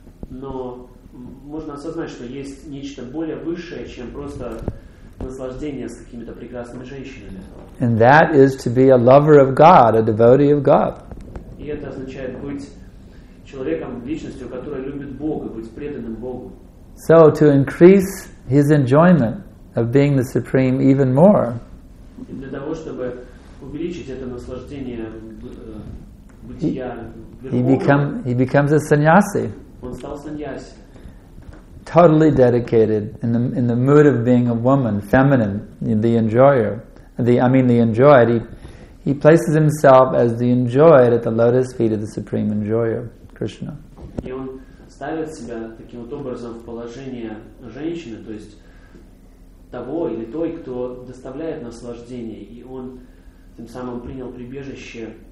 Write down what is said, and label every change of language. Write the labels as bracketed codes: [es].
[ru] Можно осознать, что есть нечто более высшее, чем просто наслаждение с какими-то прекрасными женщинами. [en] And that is to be a lover of God, a devotee of God. [ru] И это означает быть человеком, личностью, которая любит Бога, быть преданным Богу. [en] So to increase his enjoyment of being the supreme even more. [ru] И для того, чтобы увеличить это наслаждение бытия Верховного, [en] he becomes a sannyasi. [ru] Он стал саньяси. [en] Totally dedicated in the mood of being a woman, feminine, the enjoyed. He places himself as the enjoyed at the lotus feet of the supreme enjoyer, Krishna. [ru] И он ставит себя таким вот образом в положение женщины, то есть того или той, кто доставляет наслаждение, и он тем самым принял прибежище.